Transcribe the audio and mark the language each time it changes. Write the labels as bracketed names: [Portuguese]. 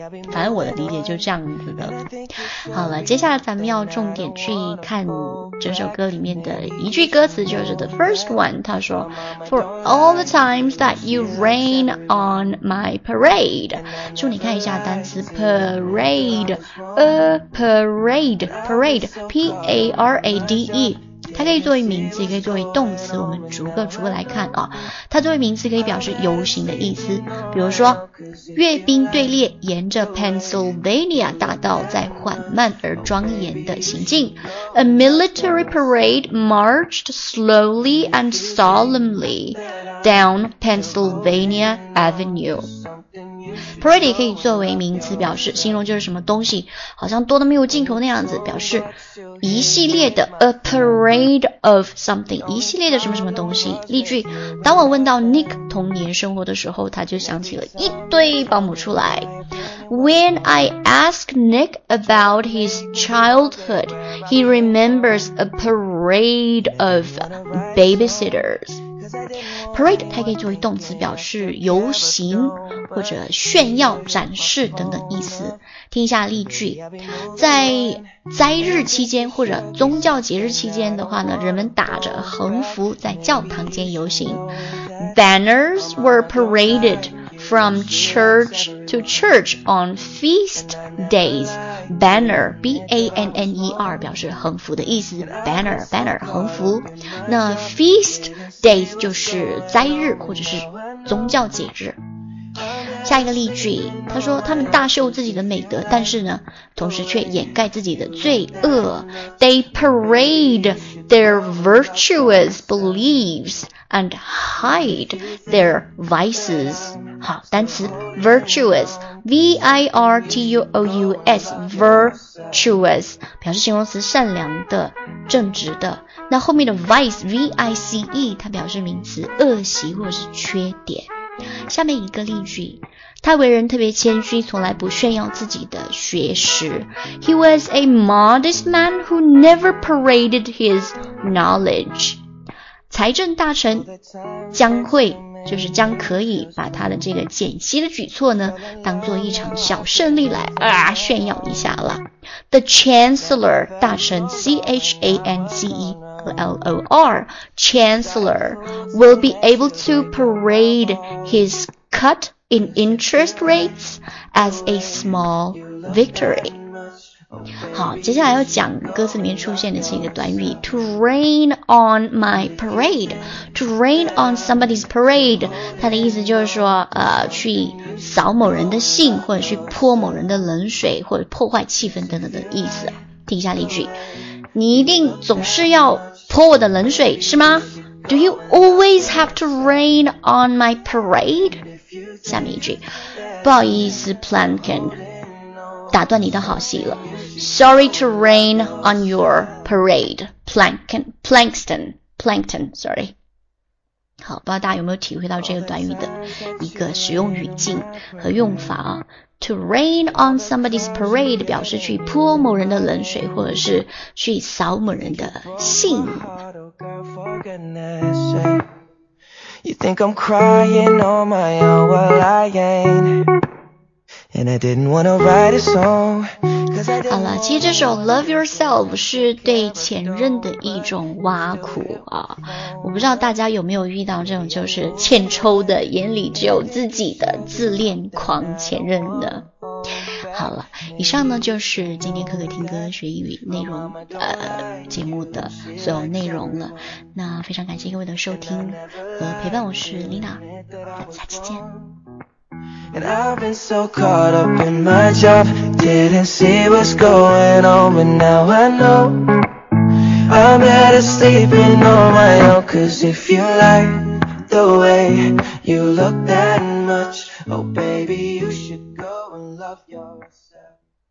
[Chinese] 反正我的理解就这样子的。好了，接下来咱们要重点去看这首歌里面的一句歌词，就是 [English] the first one， [Chinese] 他说 ， [English] for all the times that you rain on my parade， [Chinese] 就你看一下单词 parade，P-A-R-A-D-E。它可以作为名词，也可以作为动词，我们逐个逐个来看啊。它作为名词可以表示游行的意思，比如说阅兵队列沿着 Pennsylvania 大道在缓慢而庄严的行进。 [English] A military parade marched slowly and solemnly down Pennsylvania Avenue。 [Chinese] Parade 可以作为名词表示形容就是什么东西好像多得没有尽头那样子，表示一系列的 [English] a parade of something， [Chinese] 一系列的什么什么东西。例句，当我问到 Nick 童年生活的时候，他就想起了一堆保姆出来。 [English] When I ask Nick about his childhood, he remembers a parade of babysitters。 [Chinese] Parade 它可以作为动词表示游行或者炫耀展示等等意思。听一下例句，在灾日期间或者宗教节日期间的话呢，人们打着横幅在教堂间游行。 [English] Banners were paraded from church to church on feast days。 [Chinese] Banner B-A-N-N-E-R 表示横幅的意思， Banner Banner 横幅。那 feast days 就是灾日或者是宗教节日。下一个例句，他说他们大秀自己的美德，但是呢同时却掩盖自己的罪恶。 [English] They parade their virtuous beliefs and hide their vices。 [Chinese] 好，单词 virtuous V-I-R-T-U-O-U-S virtuous 表示形容词善良的正直的。那后面的 vice V-I-C-E 它表示名词恶习或是缺点。下面一个例句，他为人特别谦虚，从来不炫耀自己的学识。 [English] He was a modest man who never paraded his knowledge。 [Chinese] 财政大臣将会，就是将可以把他的这个减息的举措呢当做一场小胜利来炫耀一下了。 [English] The chancellor [Chinese] 大臣 [English] C-H-A-N-C-E-L-O-R chancellor will be able to parade his cut in interest rates as a small victory。 [Chinese] 好，接下来要讲歌词里面出现的是一个短语 [English] to rain on my parade。 To rain on somebody's parade [Chinese] 它的意思就是说去扫某人的兴，或者去泼某人的冷水，或者破坏气氛等等的意思。听一下例句，你一定总是要泼我的冷水是吗？ [English] Do you always have to rain on my parade？ [Chinese] 下面一句，不好意思 Plankin 打断你的好戏了。 [English] Sorry to rain on your parade Plankton sorry。 [Chinese] 好，不知道大家有没有体会到这个短语的一个使用语境和用法啊。 [English] To rain on somebody's parade [Chinese] 表示去泼某人的冷水，或者是去扫某人的兴。 [English] You think I'm crying on my own, well I ain't. And I didn't wanna write a song。 [Chinese] 好了，其实这首 Love Yourself 是对前任的一种挖苦啊。我不知道大家有没有遇到这种就是欠抽的，眼里只有自己的自恋狂前任呢。好了，以上呢就是今天可可听歌学英语内容节目的所有内容了。那非常感谢各位的收听和陪伴，我是 Lina， 下期见。 [English] And I've been so caught up in my job, didn't see what's going on, but now I know. I'm better sleeping on my own, 'cause if you like the way you look that much, Oh baby, you should go and love yourself.